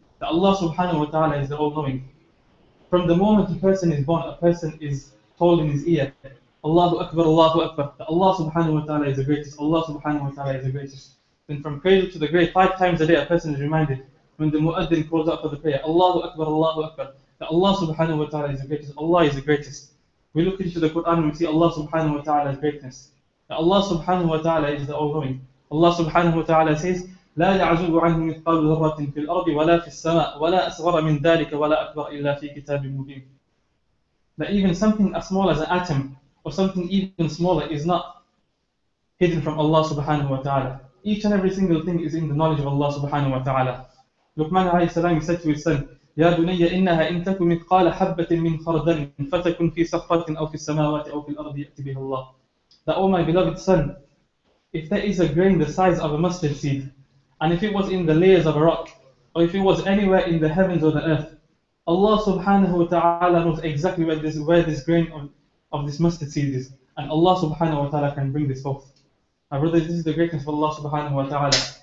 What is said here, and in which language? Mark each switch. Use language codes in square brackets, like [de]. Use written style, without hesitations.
[en] That Allah subhanahu wa ta'ala is the all-knowing. From the moment a person is born, a person is told in his ear, Allahu Akbar, Allahu Akbar, that Allah subhanahu wa ta'ala is the greatest, Allah subhanahu wa ta'ala is the greatest. Then from cradle to the grave, 5 times a day a person is reminded, when the muaddin calls out for the prayer, Allahu Akbar, Allahu Akbar, that Allah subhanahu wa ta'ala is the greatest, Allah is the greatest. We look into the Quran and we see Allah subhanahu wa ta'ala's greatness. That Allah subhanahu wa ta'ala is the all-knowing. [ar] Allah subhanahu wa ta'ala says, لا يعزب عنه مثقال ذرة في الأرض ولا في السماء ولا أصغر من ذلك ولا أكبر إلا في كتاب مبين. [en] That even something as small as an atom or something even smaller is not hidden from Allah subhanahu wa ta'ala. Each and every single thing is in the knowledge of Allah subhanahu wa ta'ala. [ar] Luqman alayhi salam [en] said to his son, [ar] يا بني إنها إن تك مثقال حبة من خردل فتكن في صخرة أو في السماوات أو في الأرض يأتي بها الله. [en] That oh my beloved son, if there is a grain the size of a mustard seed, and if it was in the layers of a rock, or if it was anywhere in the heavens or the earth, Allah subhanahu wa ta'ala knows exactly where this grain of this mustard seed is. And Allah subhanahu wa ta'ala can bring this forth. My brothers, this is the greatness of Allah subhanahu wa ta'ala.